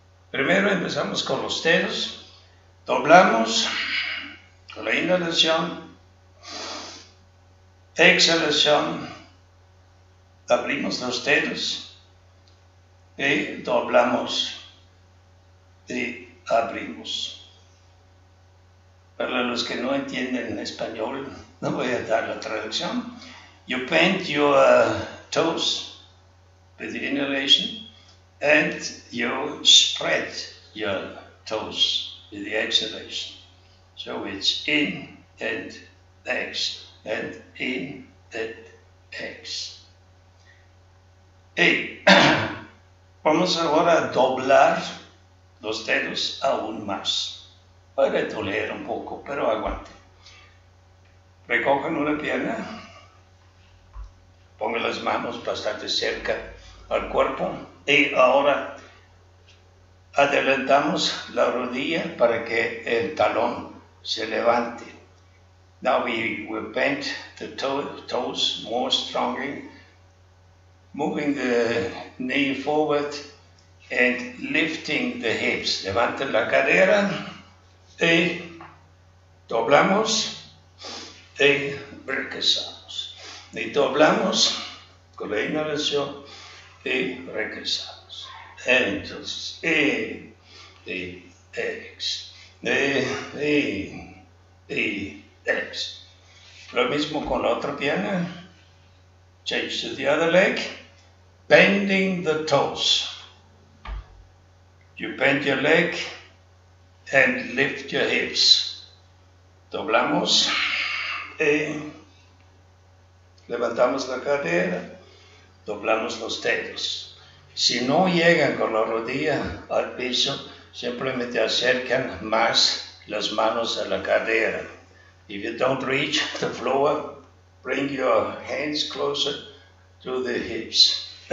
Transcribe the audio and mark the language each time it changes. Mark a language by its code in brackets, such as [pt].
[es] Primero empezamos con los dedos. Doblamos con la inhalación, exhalación, abrimos los dedos y doblamos y abrimos. Para los que no entienden en español, no voy a dar la traducción. [en] You bend your toes with inhalation and you spread your toes with the exhalation. So it's in and ex and in and ex. [es] Y vamos ahora a doblar los dedos aún más. Puede doler un poco, pero aguante. Recojan una pierna, pongan las manos bastante cerca al cuerpo y ahora adelantamos la rodilla para que el talón se levante. [en] Now we bend the toes more strongly, moving the knee forward and lifting the hips. [es] Levanten la cadera y doblamos y regresamos. Y doblamos con la inhalación y regresamos. Entonces, y ex, y ex. Lo mismo con la otra pierna. [en] Change to the other leg. Bending the toes. You bend your leg and lift your hips. [es] Doblamos y levantamos la cadera. Doblamos los dedos. Si no llegan con la rodilla al piso, simplemente acercan más las manos a la cadera. [en] If you don't reach the floor, bring your hands closer to the hips.